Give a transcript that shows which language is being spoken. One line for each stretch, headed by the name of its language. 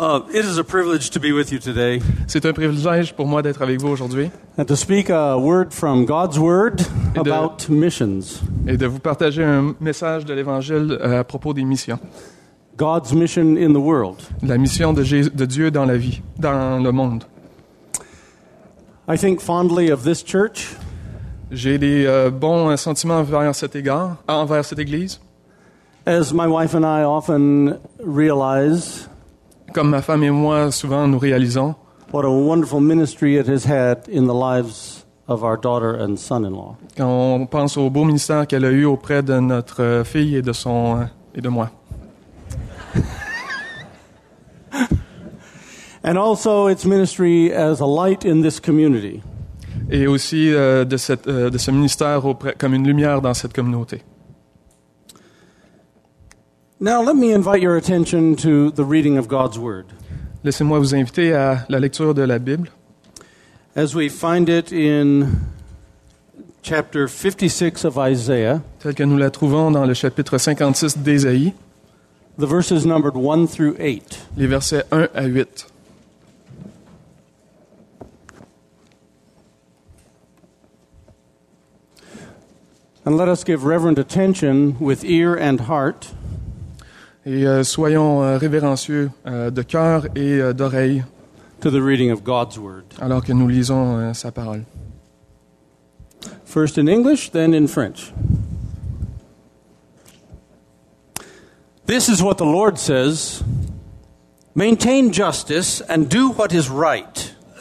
English: It is a privilege to be with you today.
French: C'est un privilège pour moi d'être avec vous aujourd'hui.
English: And to speak a word from God's word about missions.
French: Et de vous partager un message de l'Évangile à propos des missions.
English: God's mission in the world.
French: La mission de Dieu dans la vie, dans le monde.
English: I think fondly of this church.
French: J'ai des bons sentiments envers cette église.
English: As my wife and I often realize.
French: Comme ma femme et moi, souvent, nous réalisons.
English: What a wonderful ministry it has had in the lives of our daughter and son-in-law.
French: Quand on pense au beau ministère qu'elle a eu auprès de notre fille et de moi.
English: And also its ministry as a light in this community.
French: Et aussi de ce ministère auprès, comme une lumière dans cette communauté.
English: Now let me invite your attention to the reading of God's word.
French: Laissez-moi vous inviter à la lecture de la Bible.
English: As we find it in chapter 56 of Isaiah.
French: Tel que nous la trouvons dans le chapitre 56 d'Ésaïe.
English: The verses numbered 1 through 8.
French: Les versets 1 à 8.
English: And let us give reverent attention with ear and heart.
French: Et soyons révérencieux de cœur et d'oreille
English: to the reading of God's word.
French: Alors que nous lisons sa parole.
English: First in English, then in French. This is what the Lord says. Maintain justice and do what is right.